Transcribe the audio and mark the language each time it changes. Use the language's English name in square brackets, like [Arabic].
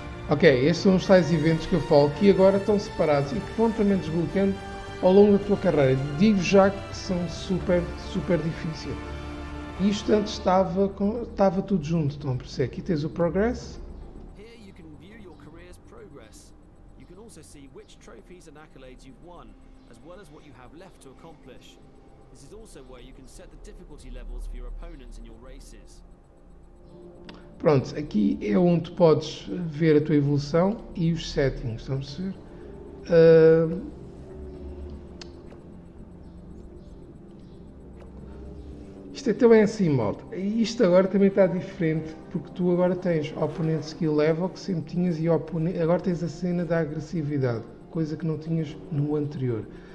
[Portuguese] Ok, estes são os tais eventos que eu falo que agora estão separados e que vão também desbloqueando ao longo da tua carreira. Digo já que são super, super difíceis. Isto antes estava tudo junto, estão a perceber? Aqui tens o Progress. [English] Here you can view your career's progress. You can also see which trophies and accolades you've won, as well as what you have left to accomplish. This is also where you can set the difficulty levels for your opponents in your races. [Portuguese] Pronto, aqui é onde podes ver a tua evolução e os settings, estão a perceber? Isto é também assim, malta. Isto agora também está diferente, porque tu agora tens oponente skill level, que sempre tinhas, e agora tens a cena da agressividade, coisa que não tinhas no anterior.